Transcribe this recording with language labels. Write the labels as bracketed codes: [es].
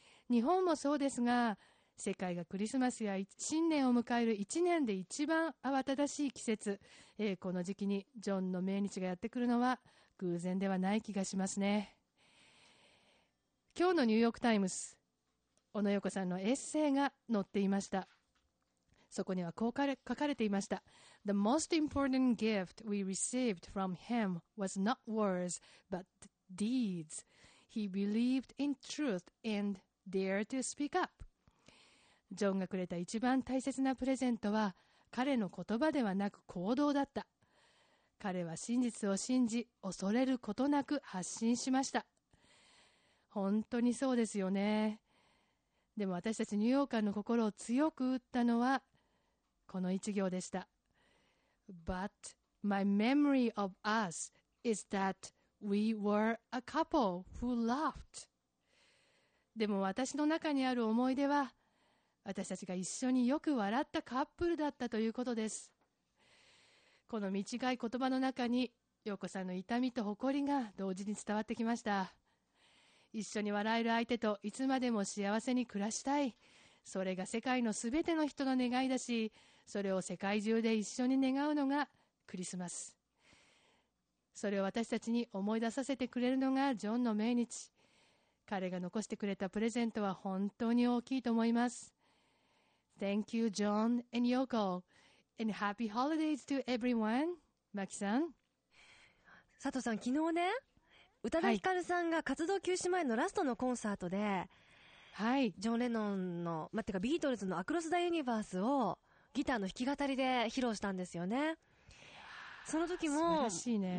[ja] 日本もそうですが、世界がクリスマスや新年を迎える一年で一番慌ただしい季節、この時期にジョンの命日がやってくるのは偶然ではない気がしますね。今日のニューヨークタイムズ、小野洋子さんのエッセイが載っていました。そこにはこう書かれていました。 [en] The most important gift we received from him was not words but deeds. He believed in truth and dared to speak up. [ja] ジョンがくれた一番大切なプレゼントは彼の言葉ではなく行動だった。彼は真実を信じ恐れることなく発信しました。本当にそうですよね。でも私たちニューヨーカーの心を強く打ったのはこの一行でした。 [en] But my memory of us is that we were a couple who loved. [ja] でも私の中にある思い出は私たちが一緒によく笑ったカップルだったということです。この短い言葉の中に陽子さんの痛みと誇りが同時に伝わってきました。一緒に笑える相手といつまでも幸せに暮らしたい、それが世界のすべての人の願いだし、それを世界中で一緒に願うのがクリスマス。それを私たちに思い出させてくれるのがジョンの命日。彼が残してくれたプレゼントは本当に大きいと思います。 [en] Thank you John and Yoko and happy holidays to everyone. [ja] マキさん、佐藤さん、昨日ね宇多田ヒカルさんが活動休止前のラストのコンサートで、はい、ジョン・レノンの、まあ、てかビートルズのアクロス・ザ・ユニバースをギターの弾き語りで披露したんですよね。その時も素晴らしい、ね、